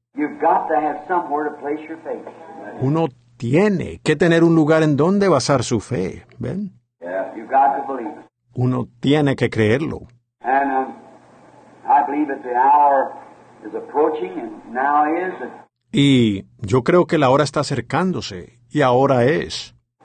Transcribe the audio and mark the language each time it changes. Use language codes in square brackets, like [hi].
[en] You've got to have somewhere to place your faith. [es] Uno tiene que tener un lugar en donde basar su fe. ¿Ven? [en] Yeah, you've got to believe. [es] Uno tiene que creerlo. [en] And, I believe that the hour is approaching and now is. [es] Y yo creo que la hora está acercándose y ahora es.